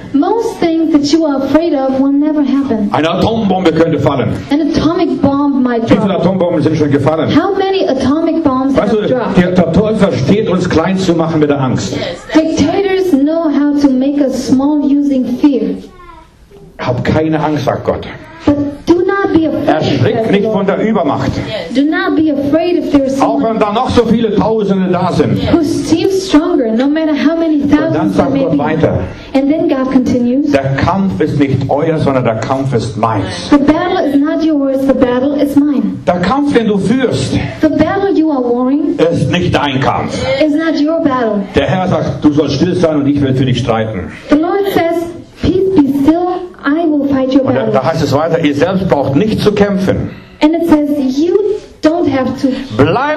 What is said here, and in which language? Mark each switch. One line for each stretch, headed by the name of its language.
English: Most things that you are afraid of will never happen.
German: Eine Atombombe könnte fallen.
English: An atomic bomb might drop.
German: Wie viele Atombomben sind schon gefallen?
English: How many atomic bombs
German: weißt
English: have
German: du,
English: dropped?
German: Weißt du, der Teufel versteht uns klein zu machen mit der Angst.
English: Dictators know how to make us small using fear.
German: Hab keine Angst, sagt Gott.
English: But do not be afraid.
German: Erschrick nicht von der Übermacht.
English: Yes. Do not be afraid if there's someone.
German: Auch wenn da noch so viele Tausende da sind.
English: Who seems stronger, no matter how many thousands.
German: Und dann sagt Gott weiter.
English: And then God continues.
German: Der Kampf ist nicht euer, sondern der Kampf ist meins.
English: The battle is not yours, the battle is mine.
German: Der Kampf, den du führst.
English: The battle you are warring.
German: Ist nicht dein Kampf.
English: Is not your battle.
German: Der Herr sagt, du sollst still sein und ich will für dich streiten.
English: The Lord says, peace be still. I will fight your battle.
German: Und da heißt es weiter, ihr selbst braucht nicht zu kämpfen.
English: And it says, you don't have to fight.